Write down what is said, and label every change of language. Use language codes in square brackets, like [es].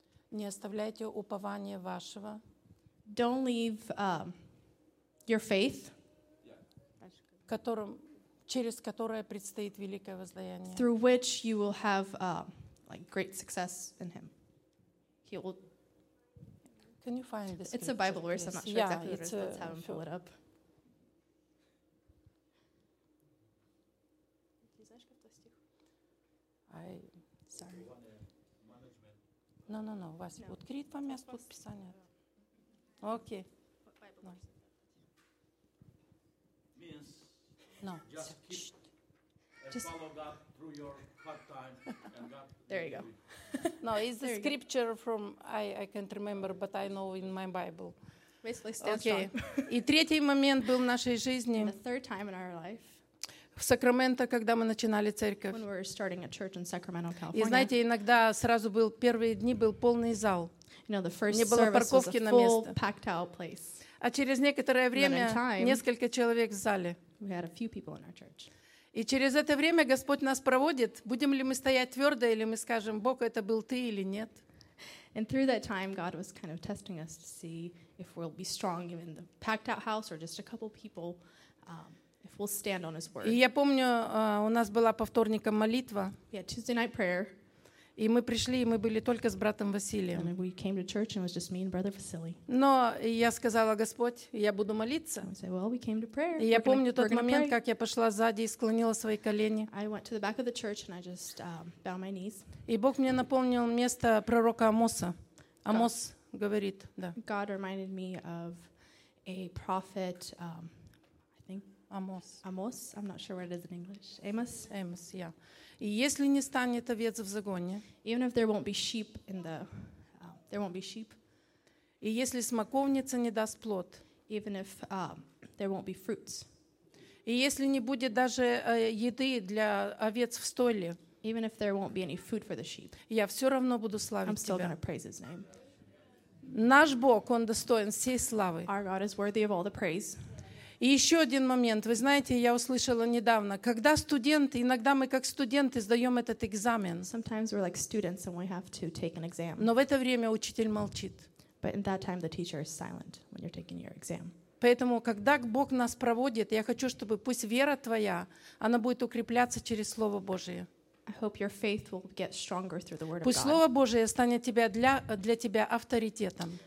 [ru] не оставляйте упование вашего. [en] Don't leave your faith, [ru] которым через которое предстоит великое воздаяние. [en] Through which you will have great success in him. He will. Can you find this? It's a Bible verse. Yes. I'm not sure exactly what it is. Let's have him pull it up. No. [ru] Вас открыть вам место под писание. Окей. [en] Means no. Just keep follow God through your hard time and God. There you go. No, it's a scripture from I can't remember, but I know in my Bible. Basically, stand strong. [ru] И третий момент был в нашей жизни. [en] The third time in our life. [ru] В Сакраменто, когда мы начинали церковь. [en] When we were starting a church in Sacramento, California. [ru] И знаете, иногда сразу был первые дни был полный зал. [en] You know, the first [ru] не было парковки на место. А через некоторое время несколько человек в зале. [en] We had a few people in our church. [ru] И через это время Господь нас проводит. Будем ли мы стоять твердо, или мы скажем: Бог, это был ты или нет? [en] And through that time, God was kind of testing us to see if we'll be strong in the packed out house or just a couple people. We'll stand on his word. [ru] И я помню, у нас была по вторникам молитва. [en] Yeah, Tuesday night prayer. [ru] И мы пришли, и мы были только с братом Василием. [en] And we came to church and it was just me and brother Vasily. [ru] Но я сказала: Господь, я буду молиться. [en] And we said, well, we came to prayer. [ru] И я помню тот момент, как я пошла сзади и склонила свои колени. [en] I went to the back of the church and I just bowed my knees. [ru] И Бог мне напомнил место пророка Амоса. Амос говорит, да. [en] God reminded me of a prophet. Amos. I'm not sure what it is in English. Amos. Amos. Yeah. [ru] И если не станет овец в загоне. [en] Even if there won't be sheep in the, there won't be sheep. [ru] И если смоковница не даст плод. [en] Even if there won't be fruits. [ru] И если не будет даже еды для овец в стойле. [en] Even if there won't be any food for the sheep. [ru] Я все равно буду славить Тебя. [en] I'm still going to praise His name. [ru] Наш Бог, Он достоин всей славы. [en] Our God is worthy of all the praise. [ru] И еще один момент. Вы знаете, я услышала недавно, когда студенты, иногда мы как студенты сдаем этот экзамен. [en] Sometimes we're like students and we have to take an exam. [ru] Но в это время учитель молчит. [en] But in that time the teacher is silent when you're taking your exam. [ru] Поэтому, когда Бог нас проводит, я хочу, чтобы пусть вера твоя, она будет укрепляться через Слово Божие. [en] I hope your faith will get stronger through the Word of God. [ru] Пусть Слово Божие станет для тебя авторитетом.